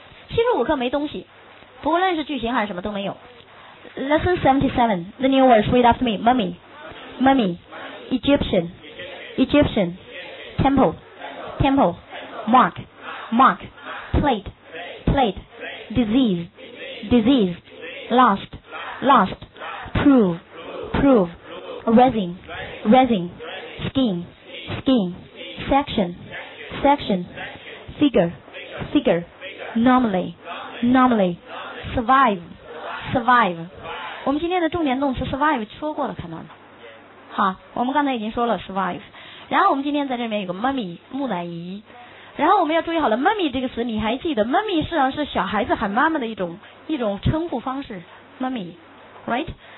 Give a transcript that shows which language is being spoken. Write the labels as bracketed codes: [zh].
[zh] 75课没东西，不论是句型还是什么都没有。 [en] Lesson 77, the new words, read after me. Mummy, mummy, Egyptian, Egyptian, temple, temple, mark, mark, plate, plate, disease, disease, lost, lost, prove, prove, resin, resin, skin, skin, section, section, figure, figure, normally, normally, survive, survive. [zh] 我们今天的重点动词 survive 说过了，看到了。好，我们刚才已经说了 survive， 然后我们今天在这边有个 mummy 木乃伊，然后我们要注意好了 mummy 这个词，你还记得 mummy 实际上是小孩子喊妈妈的一种称呼方式 mummy， right？